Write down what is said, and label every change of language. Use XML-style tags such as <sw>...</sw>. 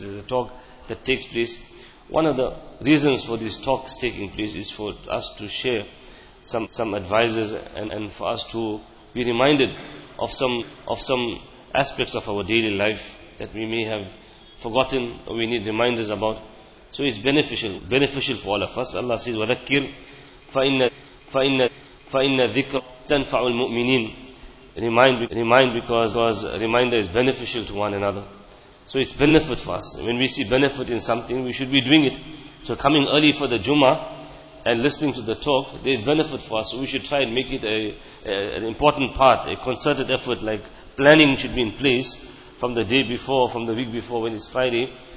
<en>There's a talk that takes place. One of the reasons for these talks taking place is for us to share some advices and for us to be reminded of some aspects of our daily life that we may have forgotten or we need reminders about. So it's beneficial for all of us. Allah says,</en> <ar>وَذَكِّرْ فَإِنَّ ذِكْرَ تَنْفَعُ الْمُؤْمِنِينَ.</ar> <en>Remind because reminder is beneficial to one another. So it's benefit for us. When we see benefit in something, we should be doing it. So coming early for the Jummah and listening to the talk, there is benefit for us. So we should try and make it an important part, a concerted effort, like planning should be in place from the day before, from the week before when it's Friday.</en>